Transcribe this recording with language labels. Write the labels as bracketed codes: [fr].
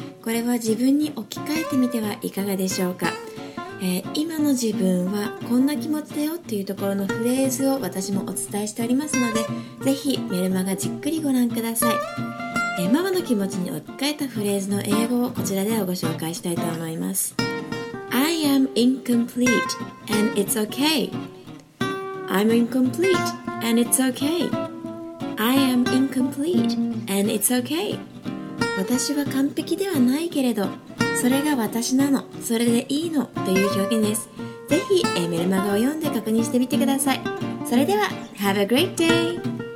[ja] これは自分に置き換えてみてはいかがでしょうか。今の自分はこんな気持ちだよっていうところのフレーズを私もお伝えしておりますので、ぜひメルマガじっくりご覧ください。ママの気持ちに置き換えたフレーズの英語をこちらではご紹介したいと思います。 [en] I am incomplete and it's okay. I'm incomplete and it's okay. I am incomplete and it's okay. [ja] 私は完璧ではないけれど、それが私なの、それでいいのという表現です。ぜひメルマガを読んで確認してみてください。それでは [en] Have a great day!